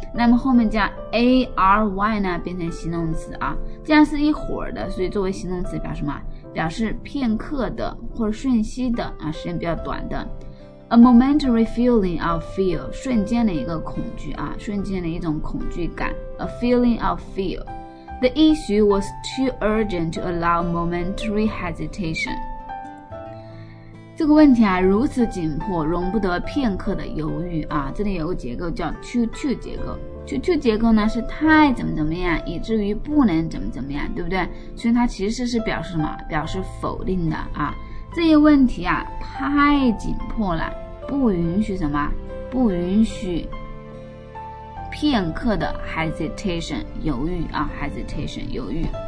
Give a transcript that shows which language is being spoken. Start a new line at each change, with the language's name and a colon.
Chinese: 那么后面加 A-R-Y 呢变成形容词啊，这样是一会儿的，所以作为形容词表示什么，表示片刻的或者瞬息的啊，时间比较短的。
English: A momentary feeling of fear，
Chinese: 瞬间的一个恐惧啊，瞬间的一种恐惧感。
English: A feeling of fear。 The issue was too urgent to allow momentary hesitation。
Chinese: 这个问题啊，如此紧迫，容不得片刻的犹豫啊。这里有个结构叫 too 结构。too 结构呢，是太怎么怎么样，以至于不能怎么怎么样，对不对？所以它其实是表示什么？表示否定的啊。这些问题啊太紧迫了，不允许什么，不允许片刻的 hesitation 犹豫啊， hesitation 犹豫。